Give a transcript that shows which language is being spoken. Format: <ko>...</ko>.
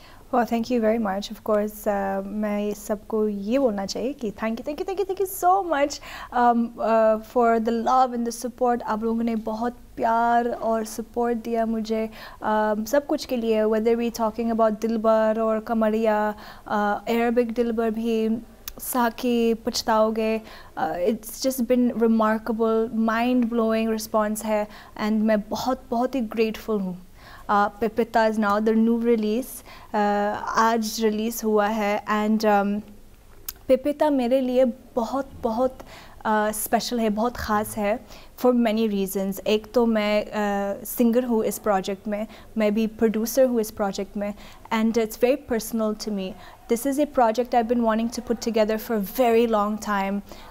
<en>Well, thank you very much. Of course,</en> <hi>main sabko ye bolna chahiye ki</hi> <en>thank you so much for the love and the support.</en> <hi>आप लोगों ने बहुत प्यार और support दिया मुझे सब कुछ के लिए,</hi> <en>whether we talking about</en> <hi>दिलबर या कमरिया, अरबिक दिलबर भी, साकी, पछताओगे.</hi> <en>It's just been remarkable, mind-blowing response है, and</en> <hi>मैं बहुत बहुत ही grateful हूँ.</hi> <en>Pipita is now the new release.</en> <hi>आज release हुआ है, and पिपिटा मेरे लिए बहुत बहुत special है, बहुत खास है</hi> <en>for many reasons.</en> <hi>एक तो मैं singer हु इस project में, मैं भी producer हु इस project में, and</hi> <en>it's very personal to me. This is a project I've been wanting to put together for a very long time.</en>